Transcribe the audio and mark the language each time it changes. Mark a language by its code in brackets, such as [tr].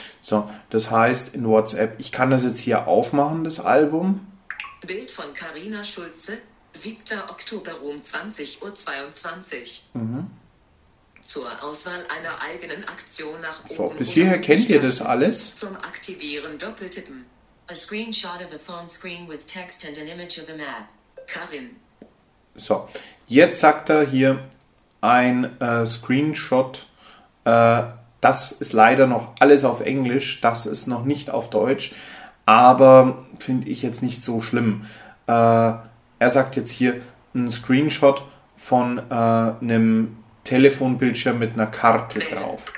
[de] So, das heißt in WhatsApp, ich kann das jetzt hier aufmachen, das Album. Bild von Carina Schulze, 7. Oktober um 20.22 Uhr. Mhm. Zur Auswahl einer eigenen Aktion nach oben. So, bis hierher kennt ihr das alles. Zum Aktivieren doppeltippen. [en] A screenshot of a phone screen with text and an image of a map. [de] Karin. So, jetzt sagt er hier ein Screenshot. Das ist leider noch alles auf Englisch. Das ist noch nicht auf Deutsch. Aber finde ich jetzt nicht so schlimm. Er sagt jetzt hier ein Screenshot von einem Telefonbildschirm mit einer Karte drauf.